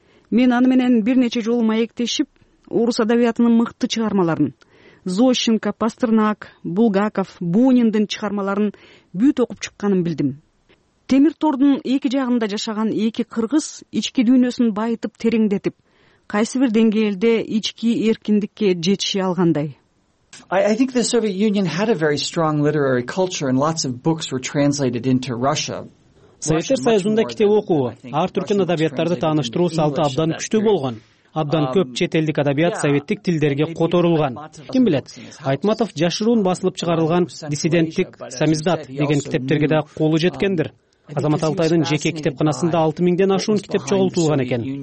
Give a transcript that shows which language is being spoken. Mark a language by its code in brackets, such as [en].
[ky] Мен аны менен бир нече жолу маектешип, орус адабиятынын мыкты чыгармаларын, Зощенко, Пастернак, Булгаков, Буниндин чыгармаларын бүт окуп чыкканын билдим. Темир тордун эки жагында жашаган эки кыргыз ички дүйнөсүн байытып тереңдетип, кайсы бир деңгээлде ички эркиндикке жетише алгандай. [en] I think the Soviet Union had a very strong literary culture and lots of books were translated into Russia. [ky] Советтер Союзунда китеп окуу, ар түркүн адабияттарды тааныштыруу салты абдан күчтүү болгон. Абдан көп чет элдик адабият советтик тилдерге которулган. Ким билет, Айтматов жашыруун басылып чыгарылган «Диссиденттик самиздат» деген китептерге да колу жеткендир. Азамат Алтайдын жеке китепканасында 6000 ашуун китеп чогултулган экен.